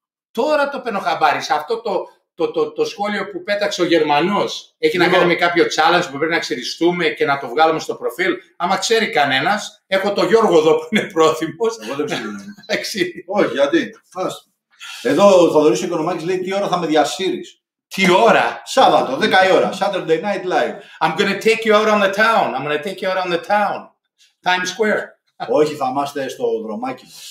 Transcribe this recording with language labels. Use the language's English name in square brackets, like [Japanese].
[Greek] Τώρα το πενοχαμπάρισα. Αυτό το σχόλιο που πέταξε ο Γερμανός έχει να κάνει με κάποιο challenge που πρέπει να ξεριστούμε και να το βγάλουμε στο προφίλ. Άμα ξέρει κανένας, έχω το Γιώργο εδώ που είναι πρόθυμος. Εγώ δεν ξέρω. Εξή. Όχι, γιατί. Εδώ ο Θοδωρής Οικονομάκης λέει τι ώρα θα με διασύρεις. Τι ώρα. Σάββατο, 10 η ώρα. Saturday Night Live. [English] I'm gonna take you out on the town. I'm gonna take you out on the town. Times Square. [Greek] Όχι, θα είμαστε στο δρομάκι.